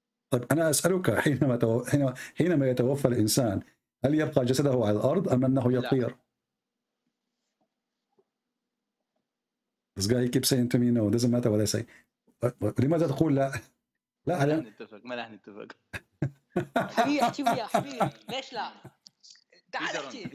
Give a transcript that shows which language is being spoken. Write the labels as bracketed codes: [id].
[ar] طيب أنا أسألك، حينما يتوفى الإنسان هل يبقى جسده على الأرض أم أنه يطير؟ لا. [en] This guy keeps saying to me no, doesn't matter what I say. [ar] لماذا تقول لا؟ لا أنا... ما لا نتفق. حبيبي احكي وياه حبيبي، ليش لا؟ تعال احكي.